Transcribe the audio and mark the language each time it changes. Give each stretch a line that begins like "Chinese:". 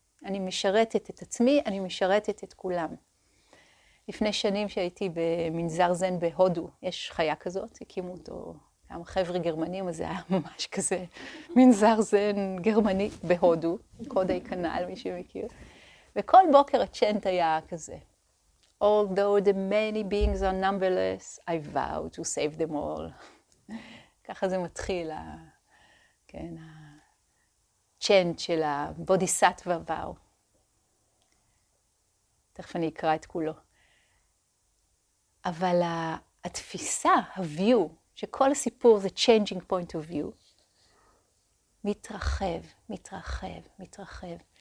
Hebrew: אני משרתת את עצמי, אני משרתת את כולם. לפני שנים שהייתי במנזר זן בהודו, יש חיה כזאת, הקימו אותו גם חבר'ה גרמנים, אז זה היה ממש כזה מנזר זן גרמני בהודו, קודי כנל, מי שמכיר. וכל בוקר הצ'נט היה כזה.
English: Although the many beings are numberless, I vow to save them all.
Hebrew: ככה זה מתחיל, כן, הצ'נט של הבודיסטווה ואו. תכף אני אקרא את כולו. אבל התפיסה, ה-view, שכל הסיפור זה
English: changing point of view,
Hebrew: מתרחב, מתרחב, מתרחב.